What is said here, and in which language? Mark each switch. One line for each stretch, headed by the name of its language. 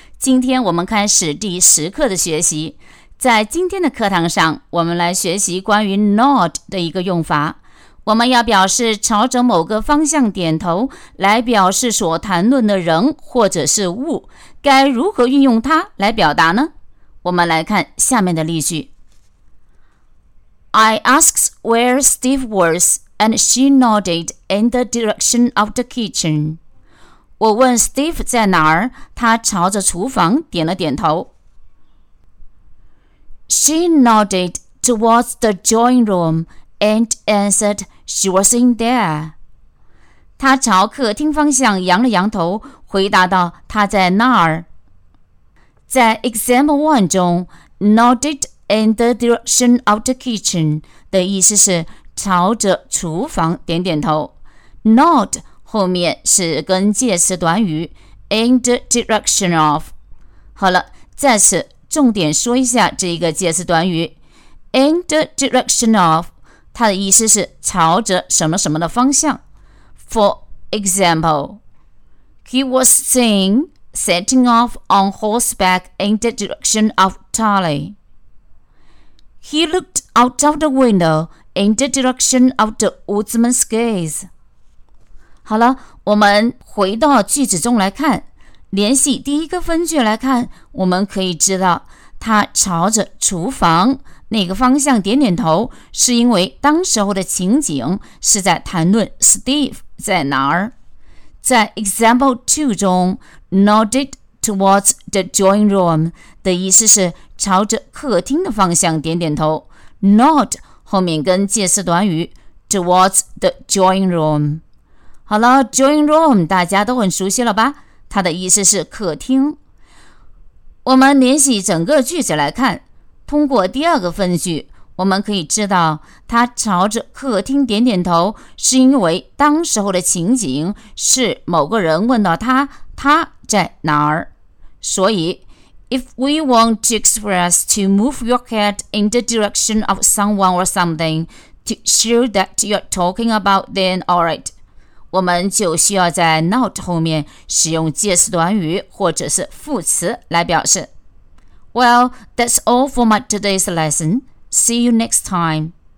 Chinese: 今天我们开始第十课的学习。在今天的课堂上，我们来学习关于 nod 的一个用法。我们要表示朝着某个方向点头，来表示所谈论的人或者是物，该如何运用它来表达呢？我们来看下面的例句。
English: I asked where Steve was, and she nodded in the direction of the kitchen.
Chinese: 我问 Steve 在哪儿，他朝着厨房点了点头。
English: She nodded towards the drawing room and answered she was in there.
Chinese: 他朝客厅方向扬了扬头，回答道他在那儿。在 Example 1中 , nodded in the direction of the kitchen 的意思是朝着厨房点点头。 Nod 后面是跟介词短语 in the direction of。好了，再次重点说一下这一个介词短语 in the direction of，它的意思是朝着什么什么的方向。
English: For example, he was seen setting off on horseback in the direction of Tully. He looked out of the window in the direction of the woodsman's gaze.
Chinese: 好了，我们回到句子中来看。联系第一个分句来看，我们可以知道他朝着厨房那个方向点点头，是因为当时候的情景是在谈论 Steve 在哪儿。在 Example 2中 , nodded towards the drawing room 的意思是朝着客厅的方向点点头。 Nod 后面跟介词短语 towards the drawing room。好了 ,drawing room 大家都很熟悉了吧，它的意思是客厅。我们联系整个句子来看，通过第二个分句，我们可以知道他朝着客厅点点头，是因为当时候的情景是某个人问到他他在哪儿。
English: 所以 If we want to express to move your head in the direction of someone or something to show that you're talking about then alright，我们就需要在 not 后面使用介词短语或者是副词来表示。 Well, that's all for my today's lesson. See you next time.